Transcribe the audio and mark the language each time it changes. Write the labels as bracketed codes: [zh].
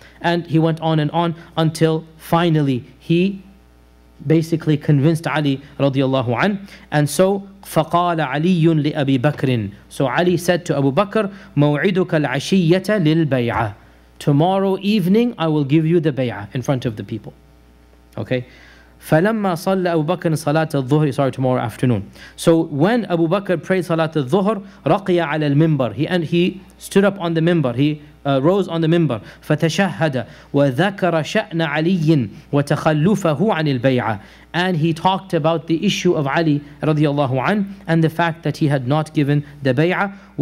[en] And he went on and on until finally he basically convinced Ali radiallahu an. And so, [ar] فَقَالَ عَلِيٌّ لِأَبِي بَكْرٍ [en] So Ali said to Abu Bakr, [ar] مَوْعِدُكَ الْعَشِيَّةَ لِلْبَيْعَةِ [en] Tomorrow evening I will give you the bay'ah in front of the people. [ar] Okay, فَلَمَّا صَلَّ أَبُو بَكْرٍ صَلَاةَ الظُّهْرِ [en] Sorry, tomorrow afternoon. So when Abu Bakr prayed [ar] صَلَاةَ الظُّهْرِ رَقِيَ عَلَى الْمِنْبَرِ [en] He stood up on the minbar. He rose on the minbar. [ar] فَتَشَهَّدَ وَذَكَرَ شَأْنَ عَلِيٍّ وَتَخَلُّفَهُ عَنِ الْبَيْعَةِ [en] And he talked about the issue of Ali رضي الله عنه and the fact that he had not given the bay'ah.